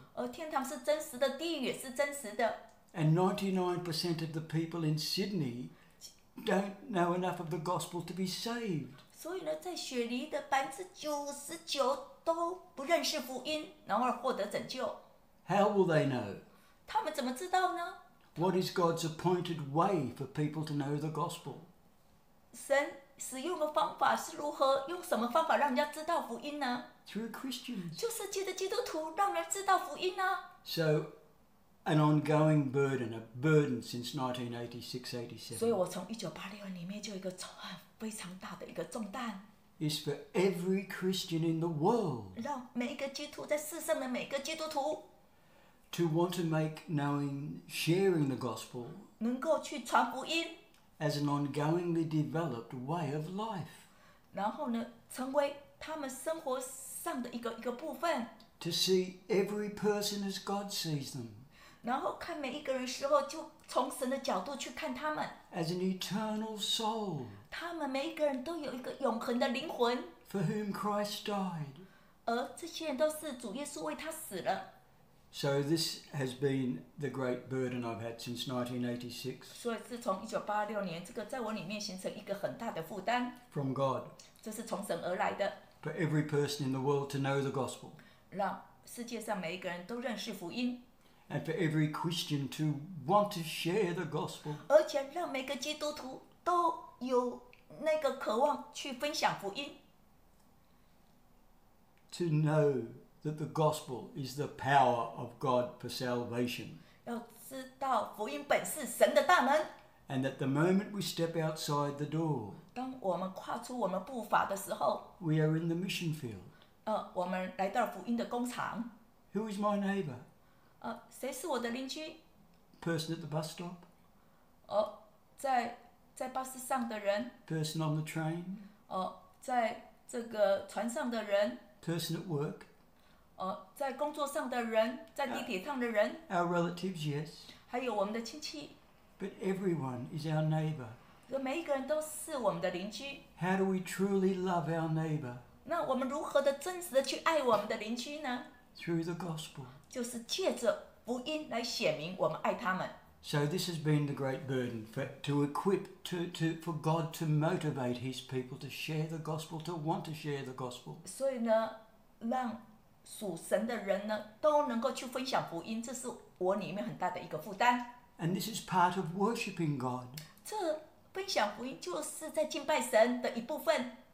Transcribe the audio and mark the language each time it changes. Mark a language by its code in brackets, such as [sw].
[zh] 而天堂是真实的，地狱也是真实的。 [en] And 99% of the people in Sydney. Don't know enough of the gospel to be saved. [zh] 所以呢，在雪梨的99%都不认识福音，然后获得拯救。 [en] How will they know? [zh] 他们怎么知道呢？ [en] What is God's appointed way for people to know the gospel? [zh] 神使用的方法是如何？用什么方法让人家知道福音呢？ [en] Through Christians. [zh] 就是借着基督徒让人知道福音呢。 [en] So. An ongoing burden, a burden since 1986-87. [zh] 所以我从1986里面就一个非常大的一个重担。 [en] Is for every Christian in the world. [zh] 让每一个基督徒在世上的每一个基督徒。 [en] To want to make knowing, sharing the gospel. [zh] 能够去传福音。 [en] As an ongoingly developed way of life. [zh] 然后呢，成为他们生活上的一个部分。 [en] To see every person as God sees them. [zh] 然后看每一个人的时候，就从神的角度去看他们。 [en] As an eternal soul， [zh] 他们每一个人都有一个永恒的灵魂。 [en] For whom Christ died， [zh] 而这些人都是主耶稣为他死了。 [en] So this has been the great burden I've had since 1986。 [zh] 所以自从1986年，这个在我里面形成一个很大的负担。 [en] From God， [zh] 这是从神而来的。 [en] For every person in the world to know the gospel， [zh] 让世界上每一个人都认识福音。 [en] And for every Christian to want to share the gospel. [zh] 而且让每个基督徒都有那个渴望去分享福音。 [en] To know that the gospel is the power of God for salvation. [zh] 要知道福音本是神的大门。 [en] And that the moment we step outside the door. [zh] 当我们跨出我们步伐的时候。 [en] We are in the mission field. [zh] 我们来到福音的工厂。 [en] Who is my neighbor? [zh] 谁是我的邻居 [en] ？Person at the bus stop。 [zh] 哦，在巴士上的人。 [en] Person on the train。 [zh] 哦，在这个船上的人。 [en] Person at work。 [zh] 哦，在工作上的人，在地铁上的人。 [en] Our relatives, yes。 [zh] 还有我们的亲戚。 [en] But everyone is our neighbor。 [zh] 每一个人都是我们的邻居。 [en] How do we truly love our neighbor？ [zh] 那我们如何的真实的去爱我们的邻居呢？ [en] Through the gospel. [zh] 就是借着福音来显明我们爱他们。 [en] So this has been the great burden for to equip to for God to motivate His people to share the gospel, to want to share the gospel. [zh] 所以呢，让属神的人呢都能够去分享福音，这是我里面很大的一个负担。 [en] And this is part of worshiping God. [zh] 这分享福音就是在敬拜神的一部分。